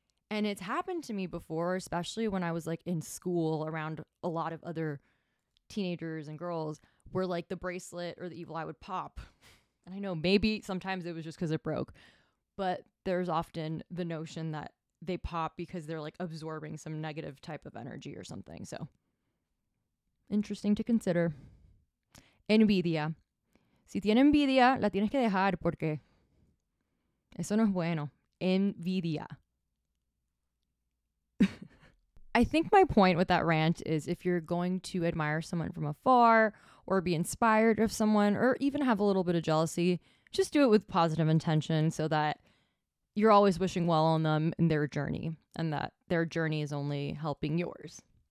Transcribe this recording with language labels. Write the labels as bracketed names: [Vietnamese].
[English] And it's happened to me before, especially when I was like in school around a lot of other teenagers and girls, where like the bracelet or the evil eye would pop. And I know maybe sometimes it was just because it broke. But there's often the notion that they pop because they're like absorbing some negative type of energy or something. So interesting to consider. Envidia. [Spanish] Si tiene envidia, la tienes que dejar porque eso no es bueno. Envidia. [English] I think my point with that rant is if you're going to admire someone from afar or be inspired of someone or even have a little bit of jealousy, just do it with positive intention so that you're always wishing well on them in their journey and that their journey is only helping yours.